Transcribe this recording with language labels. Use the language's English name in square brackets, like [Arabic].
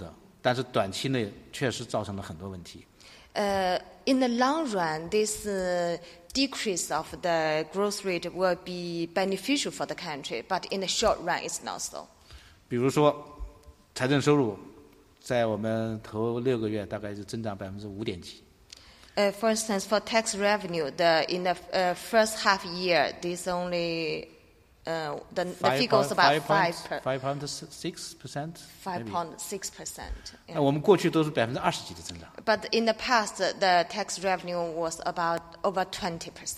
[Chinese] 这样一个增长速度下降，可能对我们长期来说是有好处的，但是短期内确实造成了很多问题。 [English] In the long run, this decrease of the growth rate will be beneficial for the country, but in the short run, it's not so. [Chinese] 比如说，财政收入在我们头6个月大概是增长5%几。 [English] For instance, for tax revenue, first half year, this only. The figure was about 5.6%. Yeah. But in the past, the tax revenue was about over 20%.